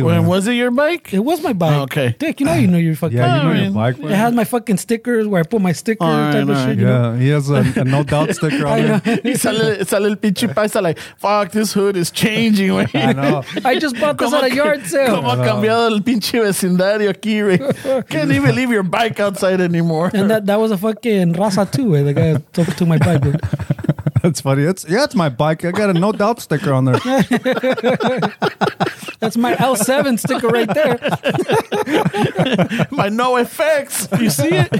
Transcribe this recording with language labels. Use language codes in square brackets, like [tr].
[en] When was it your bike? It was my bike. Oh, okay. Dick, you know you know your fucking bike. Yeah, you know your bike. It has my fucking stickers where I put my sticker type of shit. Yeah, know? He has a no doubt sticker on him. He's a little pinchy paisa like, fuck, this hood is changing, man. I know. I just bought this at a yard sale. [es] Como ha cambiado el pinche vecindario aquí, man. [en] Can't even leave your bike outside anymore. And that was a fucking raza too, man. The guy took to my bike, dude. That's funny. It's my bike. I got a no doubt sticker on there. That's my L7 sticker right there. My no effects. You see it?